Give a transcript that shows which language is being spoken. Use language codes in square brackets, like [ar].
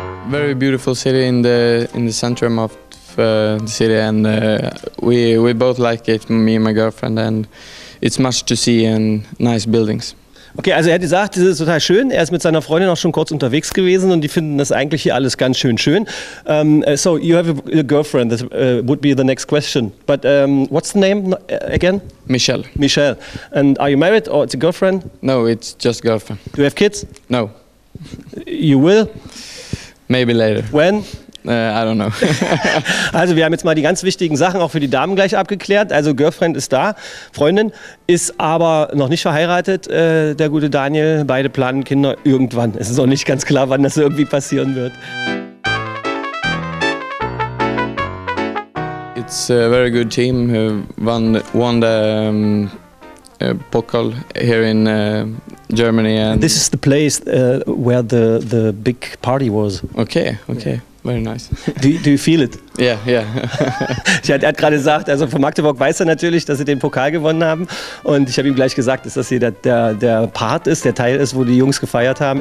[en] Very beautiful city in the center of the city, and we both like it, me and my girlfriend, and it's much to see and nice buildings. [de] Okay, also er hat gesagt, das ist total schön. Er ist mit seiner Freundin auch schon kurz unterwegs gewesen und die finden das eigentlich hier alles ganz schön schön. [en] So you have a girlfriend, that would be the next question. But what's the name again? Michelle. Michelle. And are you married or it's a girlfriend? No, it's just girlfriend. Do you have kids? No. You will? Maybe later. When? I don't know. [de] Also wir haben jetzt mal die ganz wichtigen Sachen auch für die Damen gleich abgeklärt. Also Girlfriend ist da, Freundin, ist aber noch nicht verheiratet, der gute Daniel. Beide planen Kinder irgendwann. Es ist auch nicht ganz klar, wann das irgendwie passieren wird. [en] It's a very good team. Won the Pokal here in Germany. And this is the place where the big party was. Okay, okay. Yeah. Very nice. Do you feel it? Yeah, yeah. [de] Er hat gerade gesagt, also von Magdeburg weiß er natürlich, dass sie den Pokal gewonnen haben. Und ich habe ihm gleich gesagt, dass das hier der Part ist, der Teil ist, wo die Jungs gefeiert haben.